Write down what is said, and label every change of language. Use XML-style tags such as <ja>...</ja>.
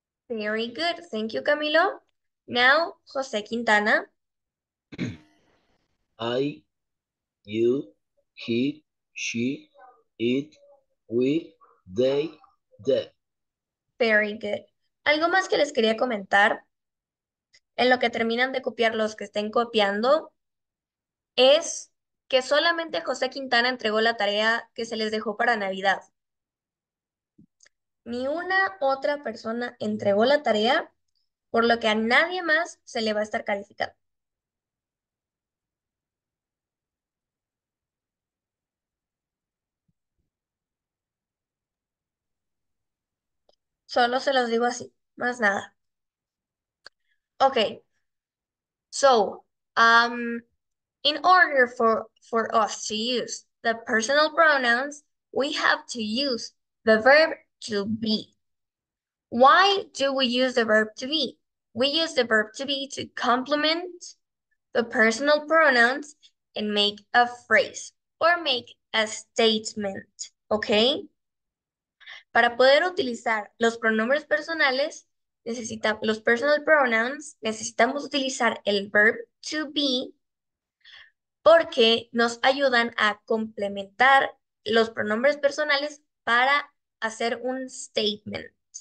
<en>Very good. Thank you, Camilo. Now, José Quintana. I, you, he, she, it, we, they, them. Very good.</en> <es>¿Algo más que les quería comentar? En lo que terminan de copiar los que estén copiando, es que solamente José Quintana entregó la tarea que se les dejó para Navidad. Ni una otra persona entregó la tarea, por lo que a nadie más se le va a estar calificando. Solo se los digo así, más nada. Ok.</es> <en>So, in order for us to use the personal pronouns, we have to use the verb to be. Why do we use the verb to be? We use the verb to be to complement the personal pronouns and make a phrase or make a statement. Ok.</en> <es>Para poder utilizar los pronombres personales, los personal pronouns, necesitamos utilizar el verb to be porque nos ayudan a complementar los pronombres personales para hacer un statement.</es>